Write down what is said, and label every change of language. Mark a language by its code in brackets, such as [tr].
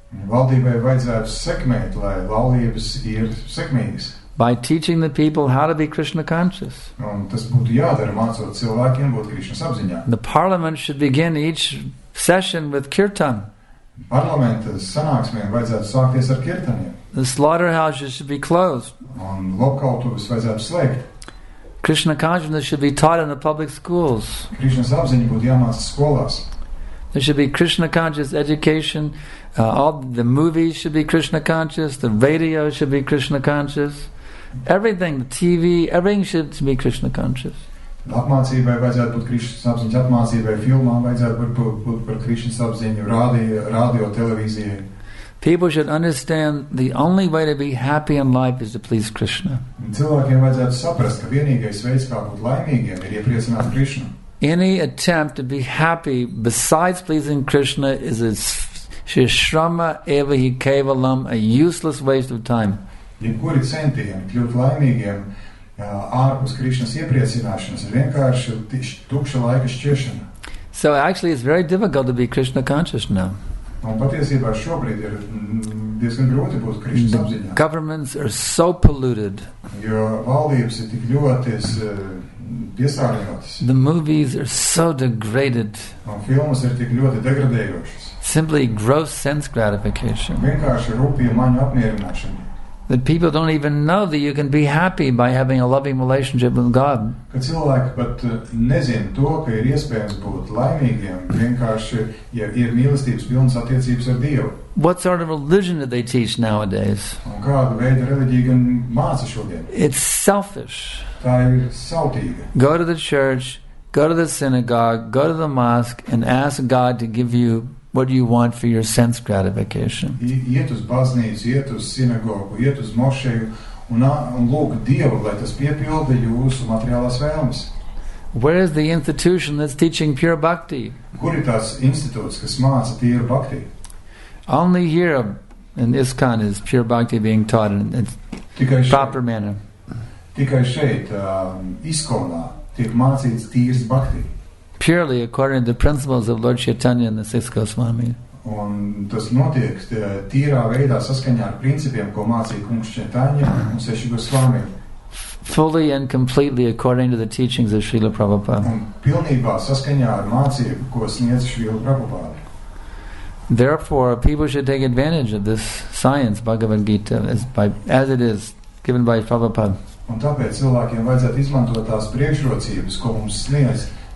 [lv] Valdībai vajadzētu sekmēt, lai laulības ir sekmīgas. [en] By teaching the people how to be Krishna conscious. [lv] Un tas būtu jādara, mācot cilvēkiem būt Krishna apziņā. [en] The parliament should begin each session with kirtan. [lv] Parlamenta sanāksmēm vajadzētu sākties ar kirtaniem. [en] The slaughterhouses should be closed. [lv] Un lokkautuves vajadzētu slēgt. [en] Krishna consciousness should be taught in the public schools. [lv] Krishna apziņa būtu jāmācās skolās. [en] There should be Krishna conscious education. All the movies should be Krishna conscious. The radio should be Krishna conscious. Everything, the TV, everything should be Krishna conscious. [lv] Apmācībai vajadzētu būt Krishna apziņa, apmācībai filmām vajadzētu būt par Krishna apziņu, radio, televīzijai. [en] People should understand the only way to be happy in life is to please Krishna. [lv] Cilvēkiem vajadzētu saprast, ka vienīgais veids, kā būt laimīgiem, ir iepriecināt Krishna. [en] Any attempt to be happy besides pleasing Krishna is a [sa] shishrama evahi kevalam, [en] a useless waste of time. [lv] Jebkuri centieni kļūt laimīgiem ārpus Krishnas iepriecināšanas ir vienkārši tukša laika šķiešana. [en] So actually it's very difficult to be Krishna conscious now. [lv] Un patiesībā šobrīd ir diezgan grūti būt Krishna apziņā. [en] Governments are so polluted. [lv] Jo valdības ir tik ļoti piesārņotas. [en] The movies are so degraded. [lv] Un filmas ir tik ļoti degradējošas. [en] Simply gross sense gratification. [lv] Vienkārši rupja maņu apmierināšana. [en] That people don't even know that you can be happy by having a loving relationship with God. [lv] Ka cilvēki pat nezin to, ka ir iespējams būt laimīgiem, vienkārši, ja ir mīlestības pilnas attiecības ar Dievu. [en] What sort of religion do they teach nowadays? [lv] Un kādu veidu reliģiju gan māca šodien? [en] It's selfish. [lv] Tā ir sautīga. [en] Go to the church, go to the synagogue, go to the mosque and ask God to give you what do you want for your sense gratification? [lv] Iet uz baznīcu, iet uz sinagogu, iet uz mošeju un lūk Dievu, lai tas piepilda jūsu materiālās vēlmes. [en] Where is the institution that's teaching pure bhakti? [lv] Kur ir tās institūts, kas māca tīru bhakti? [en] Only here in ISKCON is pure bhakti being taught in its proper manner. [lv] Tikai šeit, ISKCONā, tiek mācīts tīrs bhakti. [en] Purely according to the principles of Lord Chaitanya and the Six Goswami. [lv] Un tas notiek tīrā veidā saskaņā ar principiem, ko mācīja kungs Chaitanya un Seši Goswami. [en] Fully and completely according to the teachings of Srila Prabhupada. [lv] Un pilnībā saskaņā ar mācību, ko sniedz Srila Prabhupada. [en] Therefore, people should take advantage of this science, Bhagavad Gita, as it is given by Prabhupada. [lv] Un tāpēc cilvēkiem vajadzētu izmantot tās priekšrocības, ko mums sniedz